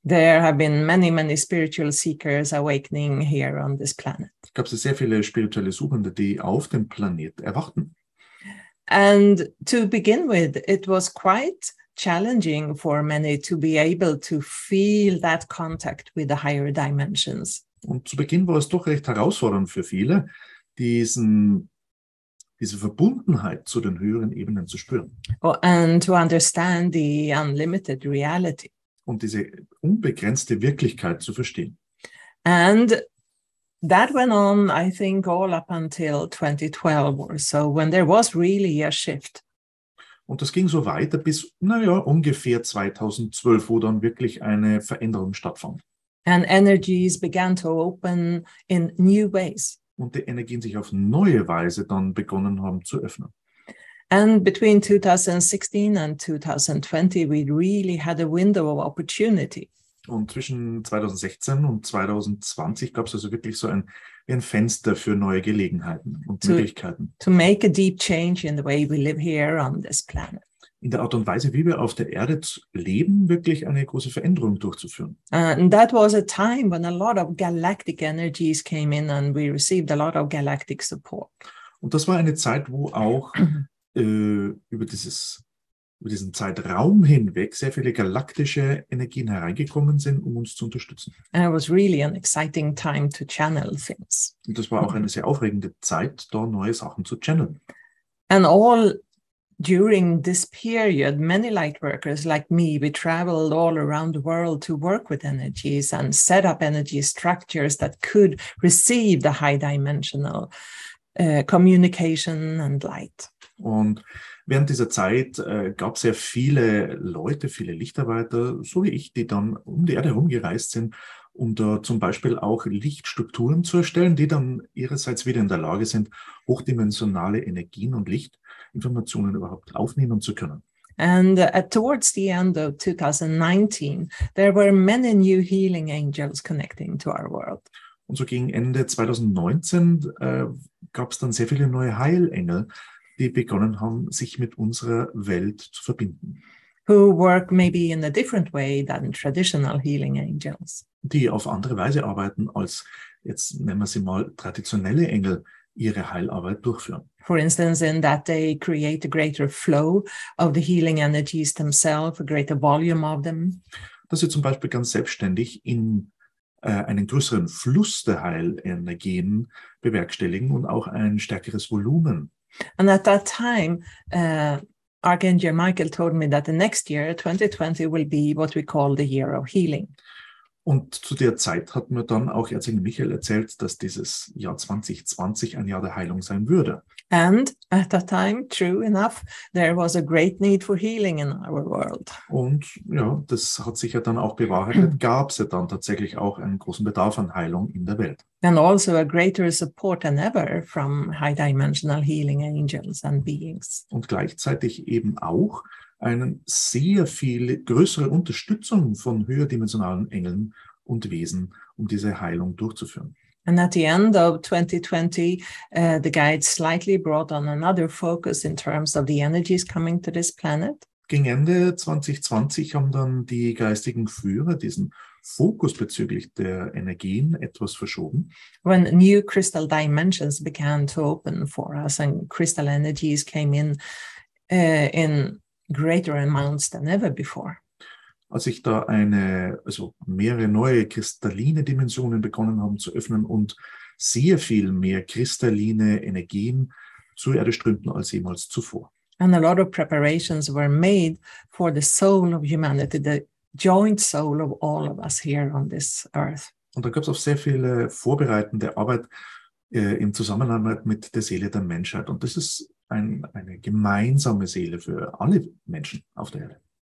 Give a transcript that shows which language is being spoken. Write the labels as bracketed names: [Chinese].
[English] There have been many, many spiritual seekers awakening here on this planet. [German] Es gab sehr viele spirituelle Suchende, die auf dem Planet erwachten. [English] And to begin with, it was quite challenging for many to be able to feel that contact with the higher dimensions. [German] Und zu Beginn war es doch recht herausfordernd für viele, diese Verbundenheit zu den höheren Ebenen zu spüren. [English] Oh, and to understand the unlimited reality. [German] Und diese unbegrenzte Wirklichkeit zu verstehen. [English] And that went on, I think, all up until 2012 or so, when there was really a shift. [German] Und das ging so weiter bis, naja, ungefähr 2012, wo dann wirklich eine Veränderung stattfand. [English] And energies began to open in new ways. [German] Und die Energien sich auf neue Weise dann begonnen haben zu öffnen. [English] And between 2016 and 2020, we really had a window of opportunity. [German] Und zwischen 2016 und 2020 gab es also wirklich so ein Fenster für neue Gelegenheiten und Möglichkeiten. [English] To make a deep change in the way we live here on this planet. [German] In der Art und Weise, wie wir auf der Erde leben, wirklich eine große Veränderung durchzuführen. [English] And that was a time when a lot of galactic energies came in and we received a lot of galactic support. [German] Und das war eine Zeit, wo auch über diesen Zeitraum hinweg sehr viele galaktische Energien hereingekommen sind, um uns zu unterstützen. [English] And it was really an exciting time to channel things. [German] Und das war auch eine sehr aufregende Zeit, da neue Sachen zu channeln. [English] And all during this period, many lightworkers like me, we traveled all around the world to work with energies and set up energy structures that could receive the high dimensional communication and light. [German] Und während dieser Zeit gab es sehr viele Leute, viele Lichtarbeiter, so wie ich, die dann um die Erde herumgereist sind, um da zum Beispiel auch Lichtstrukturen zu erstellen, die dann ihrerseits wieder in der Lage sind, hochdimensionale Energien und Lichtinformationen überhaupt aufnehmen zu können. [English] And towards the end of 2019, there were many new healing angels connecting to our world. [German] Und so gegen Ende 2019 gab es dann sehr viele neue Heilengel, die begonnen haben, sich mit unserer Welt zu verbinden. [English] who work maybe in a different way than traditional healing angels. [German] Die auf andere Weise arbeiten als, jetzt nennen wir sie mal, traditionelle Engel, ihre Heilarbeit durchführen. [English] For instance, in that they create a greater flow of the healing energies themselves, a greater volume of them. [German] Dass sie zum Beispiel ganz selbstständig in einen größeren Fluss der Heilenergien bewerkstelligen und auch ein stärkeres Volumen. [English] And at that time, Archangel Michael told me that the next year, 2020, will be what we call the year of healing. [German] Und zu der Zeit hat mir dann auch Erzengel Michael erzählt, dass dieses Jahr 2020 ein Jahr der Heilung sein würde. [English] And at that time, true enough, there was a great need for healing in our world. [German] Und ja, das hat sich ja dann auch bewahrheitet, gab es ja dann tatsächlich auch einen großen Bedarf an Heilung in der Welt. [English] And also a greater support than ever from high dimensional healing angels and beings. [German] Und gleichzeitig eben auch einen sehr viel größere Unterstützung von höherdimensionalen Engeln und Wesen, um diese Heilung durchzuführen. [English] And at the end of 2020, the guides slightly brought on another focus in terms of the energies coming to this planet. [German] Gegen Ende 2020 haben dann die geistigen Führer diesen Fokus bezüglich der Energien etwas verschoben. [English] When new crystal dimensions began to open for us and crystal energies came in greater amounts than ever before. [German] Als sich da mehrere neue kristalline Dimensionen begonnen haben zu öffnen und sehr viel mehr kristalline Energien zur Erde strömten als jemals zuvor. [English] And a lot of preparations were made for the soul of humanity, the joint soul of all of us here on this earth. [German] Und da gab es auch sehr viele vorbereitende Arbeit im Zusammenhang mit der Seele der Menschheit. Und das ist eine gemeinsame Seele für alle Menschen auf der Erde.